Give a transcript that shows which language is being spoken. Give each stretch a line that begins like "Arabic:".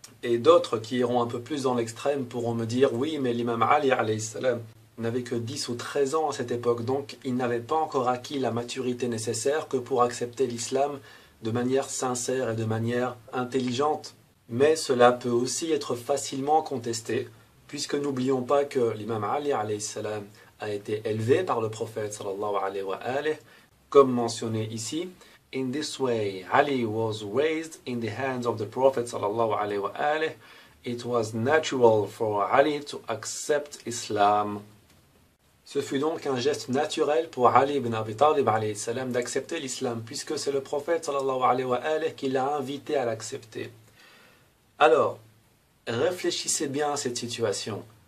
French: Et d'autres qui iront un peu plus dans l'extrême pourront me dire, oui, mais l'imam Ali alayhi salam n'avait que 10 ou 13 ans à cette époque, donc il n'avait pas encore acquis la maturité nécessaire que pour accepter l'islam de manière sincère et de manière intelligente. Mais cela peut aussi être facilement contesté, puisque n'oublions pas que l'imam Ali alayhi salam a été élevé par le prophète sallallahu alayhi wa alayhi, comme mentionné ici.
English: In this way, Ali was raised in the hands of the Prophet sallallahu alayhi wa alayhi. It was natural for Ali to accept Islam.
French: Ce fut donc un geste naturel pour Ali ibn Abi Talib alayhi salam d'accepter l'islam, puisque c'est le Prophète sallallahu alayhi wa alayhi qui l'a invité à l'accepter. Alors, réfléchissez bien à cette situation.